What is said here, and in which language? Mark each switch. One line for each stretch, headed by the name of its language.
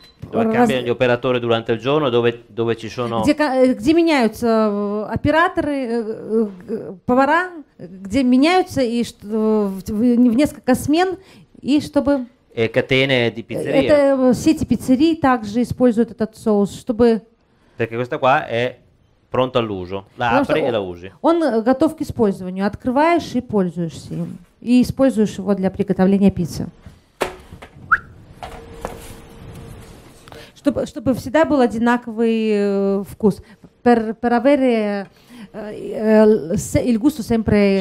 Italian: cambiano gli operatori durante il giorno, dove ci sono
Russian: где меняются операторы, повара, где меняются и в несколько смен и чтобы
Italian: E catene di pizzeria.
Russian: Это сети пиццерий также используют этот соус, чтобы.
Italian: Perché questa qua è pronta all'uso. La apri e la usi.
Russian: Он готов к использованию. Открываешь и пользуешься им. И используешь его для приготовления пиццы. Чтобы всегда был одинаковый вкус.
Italian: Per avere il gusto sempre